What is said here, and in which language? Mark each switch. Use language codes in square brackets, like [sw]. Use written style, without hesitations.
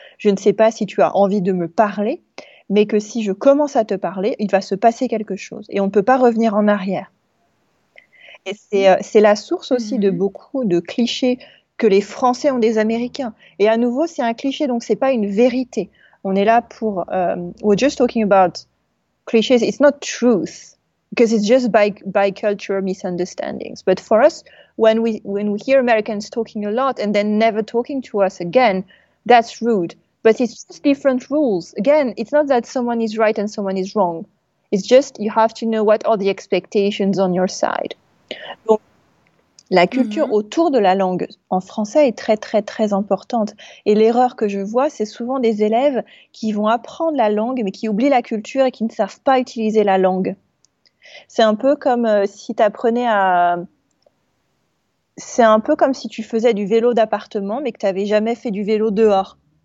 [fr] Je ne sais pas si tu as envie de me parler, mais que si je commence à te parler, il va se passer quelque chose et on ne peut pas revenir en arrière. Et c'est la source aussi de beaucoup de clichés que les Français ont des Américains. Et à nouveau, c'est un cliché, donc ce n'est pas une vérité. On est là pour... [en] we're just talking about... cliches, it's not truth, because it's just by cultural misunderstandings. But for us, when we hear Americans talking a lot and then never talking to us again, that's rude. But it's just different rules. Again, it's not that someone is right and someone is wrong. It's just you have to know what are the expectations on your side. [fr] Donc, la culture autour de la langue en français est très, très, très importante. Et l'erreur que je vois, c'est souvent des élèves qui vont apprendre la langue, mais qui oublient la culture et qui ne savent pas utiliser la langue. C'est un peu comme si tu apprenais à... C'est un peu comme si tu faisais du vélo d'appartement, mais que tu n'avais jamais fait du vélo dehors.